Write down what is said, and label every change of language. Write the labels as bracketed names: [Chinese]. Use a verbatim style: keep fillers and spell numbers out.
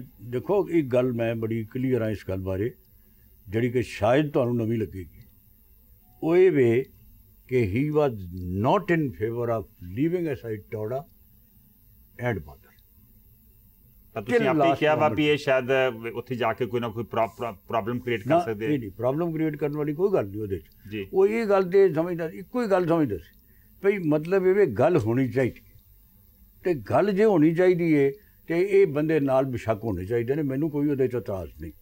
[Punjabi] ਦੇਖੋ, ਇੱਕ ਗੱਲ ਮੈਂ ਬੜੀ ਕਲੀਅਰ ਹਾਂ ਇਸ ਗੱਲ ਬਾਰੇ, ਜਿਹੜੀ ਕਿ ਸ਼ਾਇਦ ਤੁਹਾਨੂੰ ਨਵੀਂ ਲੱਗੇਗੀ। ਉਹ ਇਹ ਵੇ कि [English] he was not in favor of leaving aside Toda and Badal. [Punjabi] ਤਾਂ ਤੁਸੀਂ ਆਪੇ ਕਿਹਾ ਵਾ ਵੀ ਇਹ ਸ਼ਾਇਦ ਉੱਥੇ ਜਾ ਕੇ ਕੋਈ ਨਾ ਕੋਈ ਪ੍ਰੋਬਲਮ ਕ੍ਰੀਏਟ ਕਰ ਸਕਦੇ। ਨਹੀਂ ਨਹੀਂ, ਪ੍ਰੋਬਲਮ ਕ੍ਰੀਏਟ ਕਰਨ ਵਾਲੀ ਕੋਈ ਗੱਲ ਨਹੀਂ ਉਹਦੇ 'ਚ। ਜੀ, ਉਹ ਇਹ ਗੱਲ ਦੇ ਸਮਝਦਾ, ਇੱਕੋ ਹੀ ਗੱਲ ਸਮਝਦਾ ਸੀ ਭਈ ਮਤਲਬ ਇਹ ਗੱਲ ਹੋਣੀ ਚਾਹੀਦੀ ਅਤੇ ਗੱਲ ਜੇ ਹੋਣੀ ਚਾਹੀਦੀ ਹੈ ਅਤੇ ਇਹ ਬੰਦੇ ਨਾਲ ਬਿਸ਼ੱਕ ਹੋਣੇ ਚਾਹੀਦੇ ਨੇ, ਮੈਨੂੰ ਕੋਈ ਉਹਦੇ 'ਚ ਇਤਰਾਜ਼ ਨਹੀਂ।